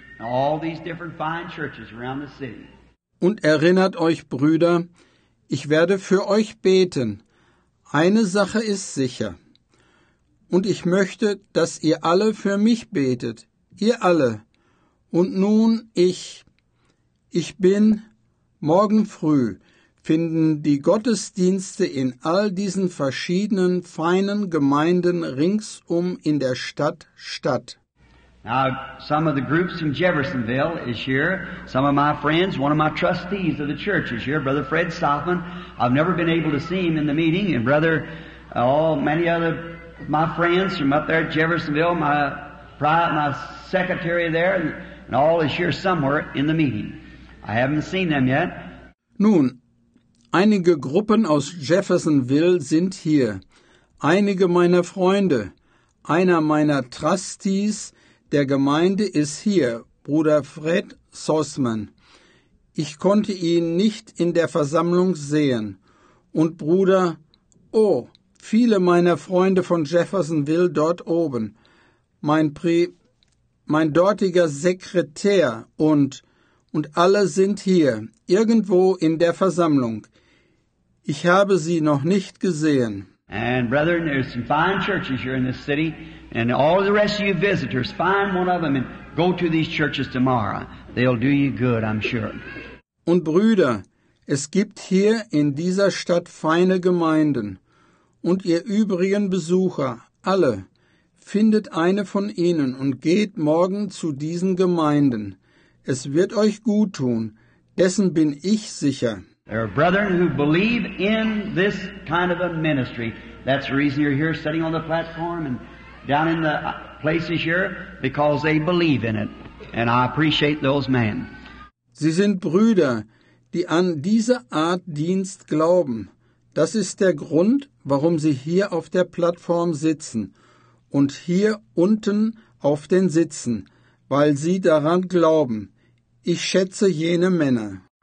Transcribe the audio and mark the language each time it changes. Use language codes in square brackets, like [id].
[en] All these different fine churches around the city. [de] Und erinnert euch, Brüder, ich werde für euch beten. Eine Sache ist sicher. Und ich möchte, dass ihr alle für mich betet, ihr alle. Und nun ich bin, morgen früh finden die Gottesdienste in all diesen verschiedenen feinen Gemeinden ringsum in der Stadt statt. [en] Now, some of the groups from Jeffersonville is here. Some of my friends, one of my trustees of the church is here, Brother Fred Stoffman. I've never been able to see him in the meeting, and Brother, many other my friends from up there at Jeffersonville, my secretary there, and all is here somewhere in the meeting. I haven't seen them yet. [de] Nun, einige Gruppen aus Jeffersonville sind hier. Einige meiner Freunde, einer meiner Trustees der Gemeinde ist hier, Bruder Fred Sossman. Ich konnte ihn nicht in der Versammlung sehen. Und Bruder, viele meiner Freunde von Jeffersonville dort oben. Mein dortiger Sekretär und alle sind hier, irgendwo in der Versammlung. Ich habe sie noch nicht gesehen. [en] And brethren, there's some fine churches here in this city, and all the rest of you visitors, find one of them and go to these churches tomorrow. They'll do you good, I'm sure. [de] Und Brüder, es gibt hier in dieser Stadt feine Gemeinden. Und ihr übrigen Besucher, alle, findet eine von ihnen und geht morgen zu diesen Gemeinden. Es wird euch gut tun, dessen bin ich sicher. [en] There are brethren who believe in this kind of a ministry. That's the reason you're here sitting on the platform and down in the places here, because they believe in it. And I appreciate those men. [de] Sie sind Brüder, die an diese Art Dienst glauben. Das ist der Grund, warum sie hier auf der Plattform sitzen und hier unten auf den Sitzen, weil sie daran glauben. Ich schätze jene Männer.